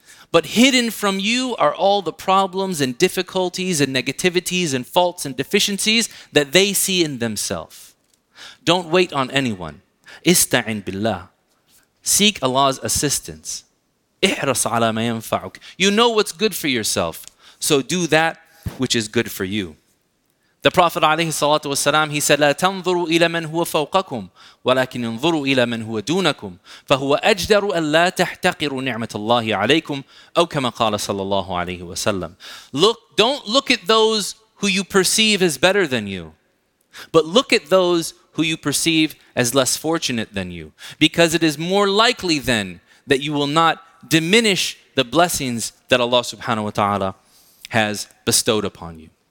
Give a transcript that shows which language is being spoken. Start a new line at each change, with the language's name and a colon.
English: But hidden from you are all the problems and difficulties and negativities and faults and deficiencies that they see in themselves. Don't wait on anyone.
Arabic: Ista'in billah.
English: Seek Allah's assistance.
Arabic: Ihras ala ma yanfa'uk.
English: You know what's good for yourself, so do that which is good for you. The Prophet
Arabic: عليه الصلاة والسلام,
English: he said,
Arabic: لا تنظروا إلى من هو فوقكم ولكن انظروا إلى من هو دونكم فهو أجدر أن لا تحتقروا نعمة الله عليكم أو كما قال صلى الله عليه وسلم.
English: Look, don't look at those who you perceive as better than you, but look at those who you perceive as less fortunate than you, because it is more likely then that you will not diminish the blessings that Allah subhanahu wa ta'ala has bestowed upon you.